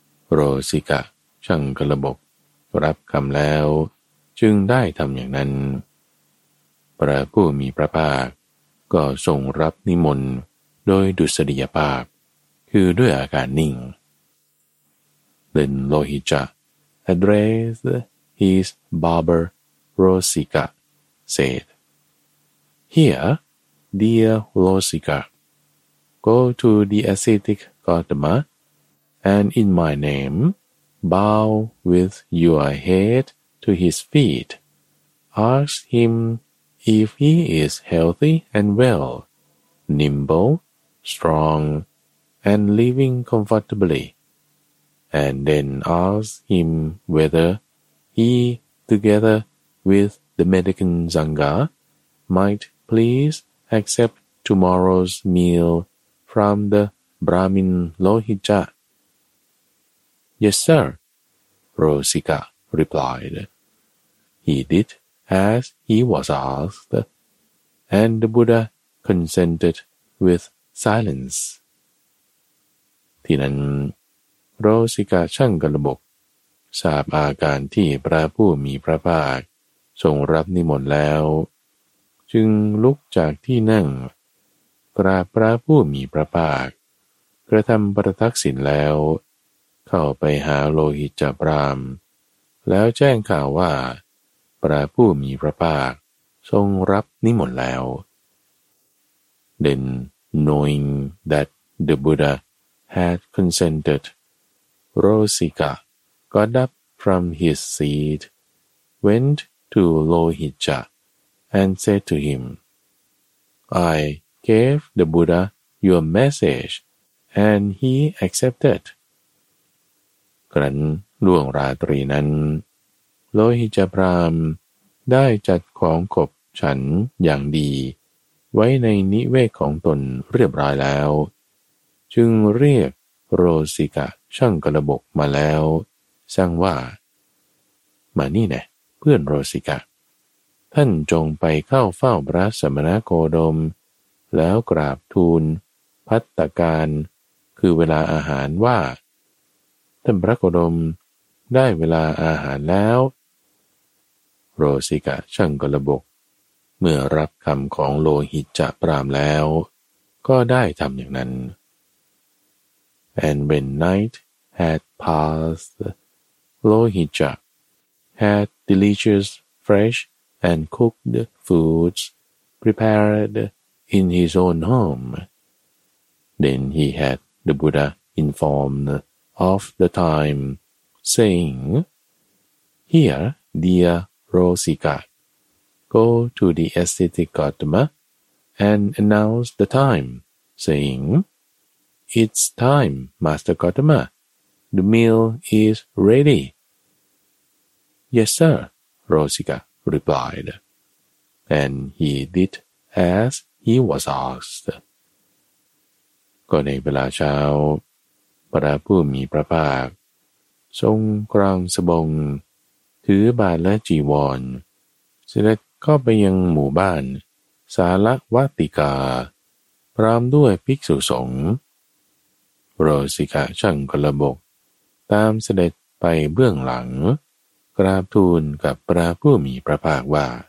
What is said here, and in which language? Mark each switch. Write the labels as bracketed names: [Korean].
[Thai] โรสิกะช่างกลบกรับคำแล้วจึงได้ทำอย่างนั้นพระผู้มีพระภาคก็ทรงรับนิมนต์โดยดุษฎีภาพคือด้วยอาการนิ่ง [English] Then Lohicca. Addressed his barber, Lohicca, said, Here, dear Lohicca, go to the ascetic Gautama, and in my name, bow with your head to his feet. Ask him if he is healthy and well, nimble, strong, and living comfortably. And then ask him whether he, together with the mendicant Sangha, might please accept tomorrow's meal from the Brahmin Lohicca. Yes, sir, Lohicca replied. He did as he was asked, and the Buddha consented with silence. [Thai] ที่นั้นโรสิกาช่างกลบกทราบอาการที่พระผู้มีพระภาคทรงรับนิมนต์แล้วจึงลุกจากที่นั่ง กราบพระผู้มีพระภาคกระทำประทักษิณแล้วเข้าไปหาโลหิตจะพราหมณ์แล้วแจ้งข่าวว่าพระผู้มีพระภาคทรงรับนิมนต์แล้ว [English] Then knowing that the Buddha had consented,Lohicca got up from his seat went to Lohicca and said to him, I gave the Buddha your message and he accepted. [Thai] ครั้นล่วงราตรีนั้นโลหิตพราหมณ์ได้จัดของกบฉันอย่างดีไว้ในนิเวศของตนเรียบร้อยแล้วจึงเรียกโรสิกะช่างกระบกมาแล้วสั่งว่า มานี่นะเพื่อนโรสิกะท่านจงไปเข้าเฝ้าพระสมณโคดมแล้วกราบทูลภัตตการคือเวลาอาหารว่าท่านพระโคดมได้เวลาอาหารแล้ว โรสิกะช่างกระบกเมื่อรับคำของโลหิตจะปรามแล้วก็ได้ทำอย่างนั้น [English] And when night had passed, Lohicca had delicious fresh and cooked foods prepared in his own home. Then he had the Buddha informed of the time, saying, Here, dear Rosika, go to the ascetic Gautama and announce the time, saying, It's time, Master Gautama. The meal is ready. Yes, sir, Rosika replied. And he did as he was asked. [Thai] ก็ในเวลาเช้าพระผู้มีพระภาคทรงกรางสบงถือบาทและจีวรเสด็จเข้าไปยังหมู่บ้านสาละวัติกาพร้อมด้วยภิกษุสงฆ์โรสิกะช่างกระบกตามเสด็จไปเบื้องหลังกราบทูลกับพระผู้มีพระภาคว่า